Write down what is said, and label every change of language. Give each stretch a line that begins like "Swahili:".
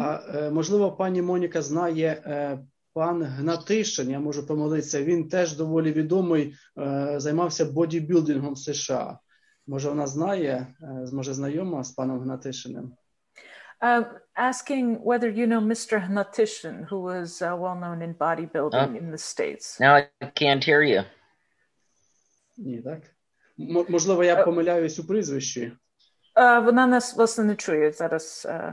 Ukrainian: А можливо, пані Моніка знає пан Гнатишин, я можу помилитися, він теж доволі відомий, займався бодібілдингом в США. Може, вона знає, може, знайома з паном Гнатишиним?
English: Asking whether you know Mr. Gnatishin, who was well known in bodybuilding in the States. No, I can't hear you.
Ukrainian: Ні, так? Можливо, я помиляюсь у прізвищі? Вона нас, власне, не чує зараз.